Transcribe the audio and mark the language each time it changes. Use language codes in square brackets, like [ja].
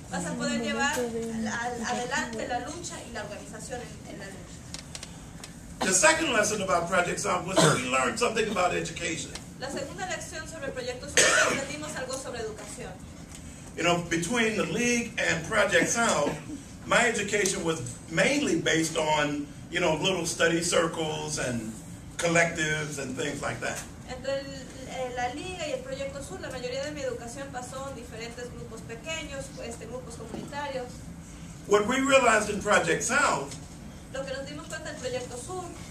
[en] The second lesson about Project Sound was that we learned something about education. [es] La segunda lección sobre proyectos fue que aprendimos algo sobre educación. [en] You know, between the League and Project Sound, my education was mainly based on, you know, little study circles and collectives and things like that. [es] Entre la Liga y el Proyecto Sur, la mayoría de mi educación pasó en diferentes grupos pequeños, grupos comunitarios. [en] What we realized in Project Sound, [es] lo que nos dimos cuenta en Proyecto Sur,